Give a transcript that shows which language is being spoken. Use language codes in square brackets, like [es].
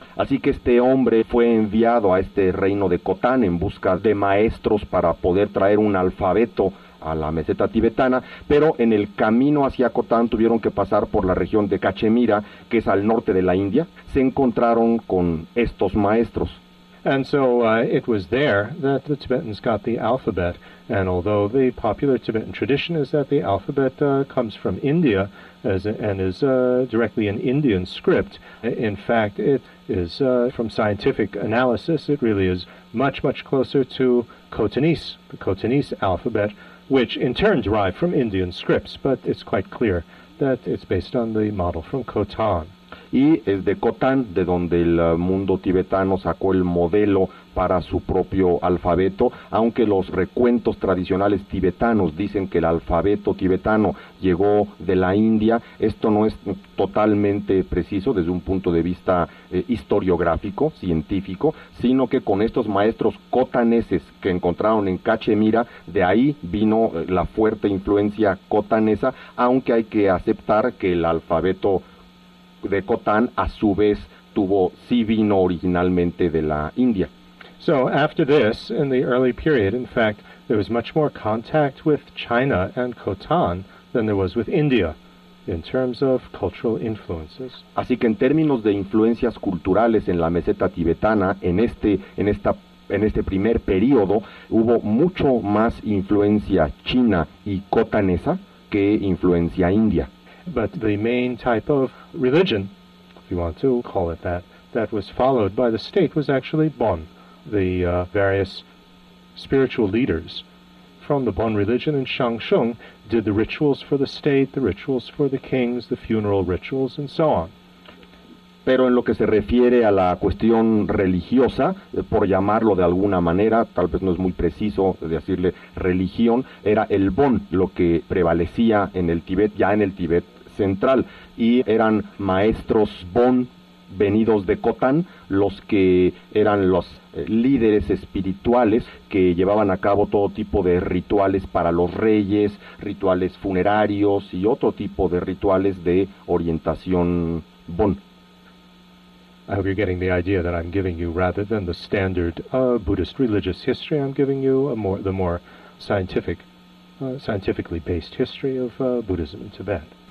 [es] Así que este hombre fue enviado a este reino de Khotan en busca de maestros para poder traer un alfabeto a la meseta tibetana, pero en el camino hacia Khotan tuvieron que pasar por la región de Cachemira, que es al norte de la India. Se encontraron con estos maestros. [en] And so it was there that the Tibetans got the alphabet. And although the popular Tibetan tradition is that the alphabet comes from India and is directly an Indian script, in fact, it is, from scientific analysis, it really is much, much closer to Khotanese, the Khotanese alphabet, which in turn derived from Indian scripts, but it's quite clear that it's based on the model from Khotan. [es] Y es de Khotan, de donde el mundo tibetano sacó el modelo para su propio alfabeto, aunque los recuentos tradicionales tibetanos dicen que el alfabeto tibetano llegó de la India, esto no es totalmente preciso desde un punto de vista historiográfico, científico, sino que con estos maestros khotaneses que encontraron en Cachemira, de ahí vino la fuerte influencia khotanesa, aunque hay que aceptar que el alfabeto de Khotan, a su vez, tuvo, sí vino originalmente de la India. [en] So after this, in the early period, in fact, there was much more contact with China and Khotan than there was with India, in terms of cultural influences. [es] Así que en términos de influencias culturales en la meseta tibetana, en este primer periodo, hubo mucho más influencia china y khotanesa que influencia india. [en] But the main type of religion, if you want to call it that, that was followed by the state was actually Bon, the various spiritual leaders from the Bon religion in Shangshung did the rituals for the state, the rituals for the kings, the funeral rituals, and so on. [es] Pero en lo que se refiere a la cuestión religiosa, por llamarlo de alguna manera, tal vez no es muy preciso decirle religión, era el Bon lo que prevalecía en el Tíbet, ya en el Tíbet central, y eran maestros Bon venidos de Khotan los que eran los líderes espirituales que llevaban a cabo todo tipo de rituales para los reyes, rituales funerarios y otro tipo de rituales de orientación Bon. [en] I hope you're getting the idea that I'm giving you, rather than the standard Buddhist religious history, I'm giving you the more scientifically based history of Buddhism in Tibet.